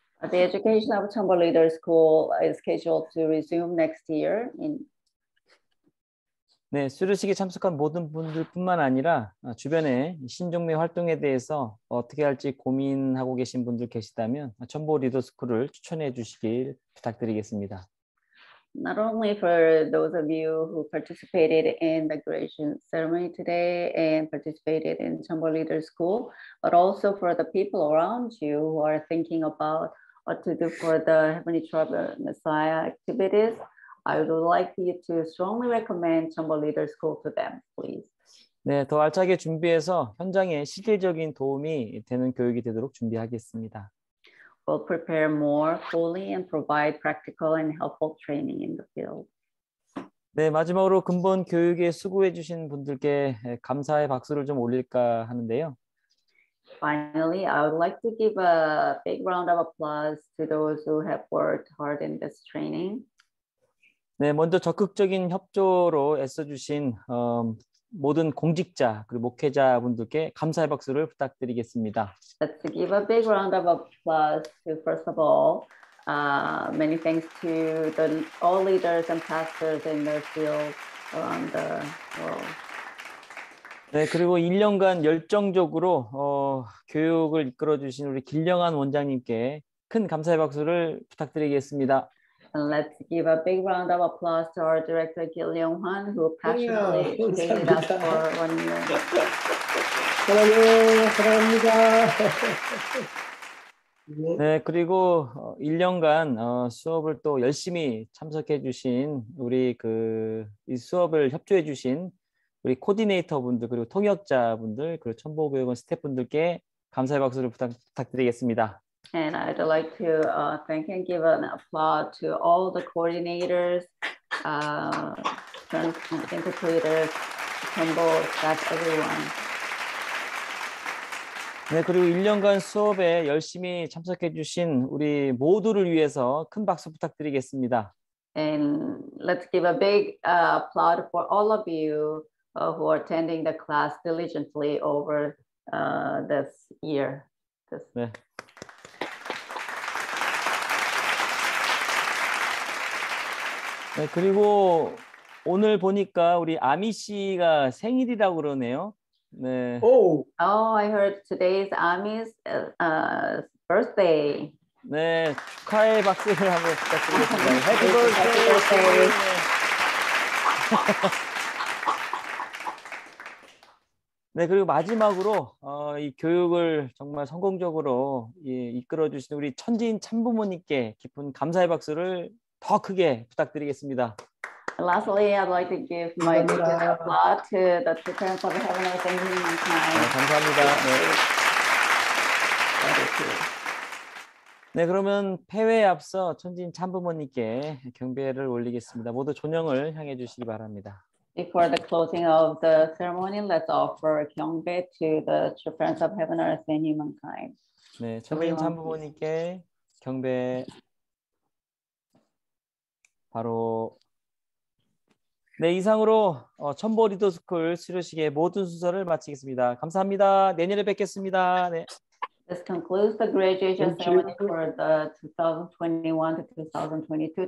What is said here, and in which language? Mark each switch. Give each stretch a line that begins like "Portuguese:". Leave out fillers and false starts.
English: The education of Chombo Leader School is scheduled to resume next year.
Korean: 네, 수료식에 참석한 모든 분들뿐만 아니라 주변에 신종매 활동에 대해서 어떻게 할지 고민하고 계신 분들 계시다면 첨보 리더스쿨을 추천해 주시길 부탁드리겠습니다.
English: Not only for those of you who participated in the graduation ceremony today and participated in Chombo Leader School, but also for the people around you who are thinking about what to do for the Heavenly Tribe Messiah activities, I would like you to strongly recommend Chombo Leader School to them, please.
Korean: 네, 더 알차게 준비해서 현장에 실질적인 도움이 되는 교육이 되도록 준비하겠습니다.
English: Will prepare more fully and provide practical and helpful training in the field.
Korean: 네, 마지막으로 근본 교육에 수고해 주신 분들께 감사의 박수를 좀 올릴까 하는데요.
English: Finally, I would like to give a big round of applause to those who have worked hard in this training.
Korean: 네, 먼저 적극적인 협조로 애써주신 모든 공직자 그리고 목회자분들께 감사의 박수를 부탁드리겠습니다.
English: Let's give a big round of applause to, first of all, many thanks to the all leaders and pastors in their field around the world.
Korean: 네, 그리고 1년간 열정적으로 교육을 이끌어주신 우리 길령한 원장님께 큰 감사의 박수를 부탁드리겠습니다.
English: And let's give a big round of applause to our director, Gil Leong Hwan, who passionately trained us for 1 year.
Korean: 사랑해요, 사랑합니다. 네, 그리고 1년간 수업을 또 열심히 참석해 주신 우리 그 이 수업을 협조해 주신 우리 코디네이터 분들 그리고 통역자 분들 그리고 첨보 교육원 스태프분들께 감사의 박수를 부탁드리겠습니다.
English: And I'd like to thank and give an applause to all the coordinators, interpreters, Chombo staff, everyone.
Korean: 네, 그리고 1년간 수업에 열심히 참석해 주신 우리 모두를 위해서 큰 박수 부탁드리겠습니다.
English: And let's give a big applause for all of you who are attending the class diligently over this year.
Korean: 네. 네, 그리고 오늘 보니까 우리 아미 씨가 생일이라고 그러네요. 네.
English: Oh, I heard today is Ami's birthday.
Korean: 네, 축하의 박수를 한번 부탁드리겠습니다.
English: Happy birthday. Happy birthday.
Korean: 네, 그리고 마지막으로 이 교육을 정말 성공적으로 이끌어 주신 우리 천지인 참부모님께 깊은 감사의 박수를 더 크게 부탁드리겠습니다.
English: And lastly, I'd like to give my big applause to the two parents of Heaven and Thank You Mankind.
Korean: 네, 감사합니다. 네. 네, 그러면 폐회에 앞서 천지인 참부모님께 경배를 올리겠습니다. 모두 존영을 향해 주시기 바랍니다.
English: Before the closing of the ceremony, let's offer 경배 to the true parents of heaven, earth, and humankind.
Korean: 네, 천지인 참부모님께 경배. 바로 네, 이상으로 천보 리더스쿨 수료식의 모든 순서를 마치겠습니다. 감사합니다. 내년에 뵙겠습니다. 네.
English: This concludes the graduation ceremony for the 2021 to 2022.